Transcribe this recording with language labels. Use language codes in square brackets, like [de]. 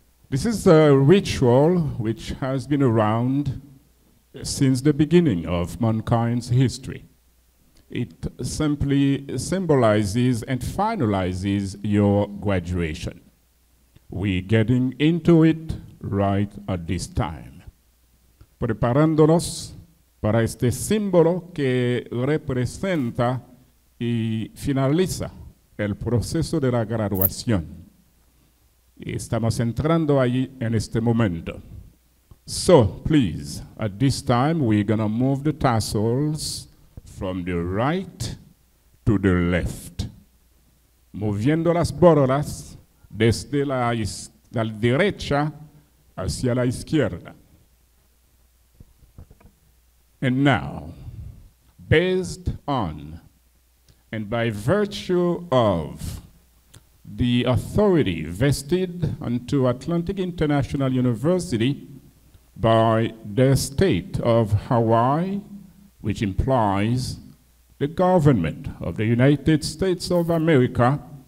[en] This is a ritual which has been around since the beginning of mankind's history. It simply symbolizes and finalizes your graduation. We're getting into it right at this time. [es] Preparándonos para este símbolo que representa y finaliza el proceso de la graduación. Estamos entrando ahí en este momento. [en] So, please, at this time, we're going to move the tassels from the right to the left. [es] Moviendo las borolas desde la derecha hacia la izquierda. [en] And now, based on and by virtue of the authority vested unto Atlantic International University by the state of Hawaii, which implies the government of the United States of America,